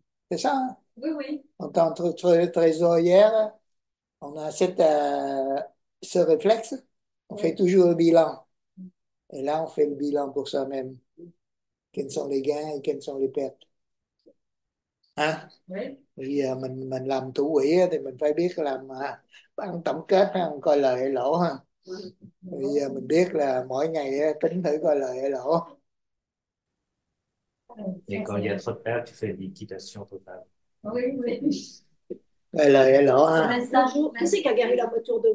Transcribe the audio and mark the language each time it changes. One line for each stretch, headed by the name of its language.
French: C'est ça? oui. Entre le trésor hier, on a cette, ce réflexe, on fait toujours le bilan. Et là, on fait le bilan pour soi-même. Quels sont les gains et quelles sont les pertes? Hein? Oui.
Vietnamese: Bây giờ mình làm thủ quỹ thì mình phải biết làm bán tổng kết ha, coi lời hay lỗ ha.
French: Oui.
Vietnamese: Bây giờ mình biết là mỗi ngày tính thử coi lời hay lỗ.
French: Et quand il y a trop de pertes, tu fais liquidation totale. Oui. Elle est Pour
Vietnamese: là,
French: l'instant, qui c'est qui a gardé la voiture de moi?